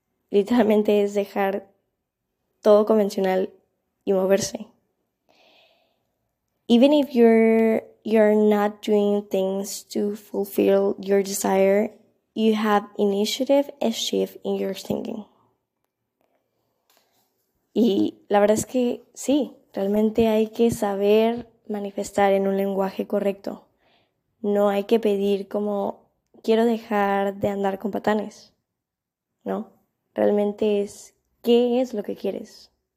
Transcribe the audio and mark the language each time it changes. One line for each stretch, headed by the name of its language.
Spanish: Literalmente es dejar todo convencional y moverse.
English: Even if you're not doing things to fulfill your desire, you have initiative and shift in your thinking.
Spanish: Y la verdad es que sí, realmente hay que saber manifestar en un lenguaje correcto. No hay que pedir como, quiero dejar de andar con patanes. No, realmente es, ¿qué es lo que quieres?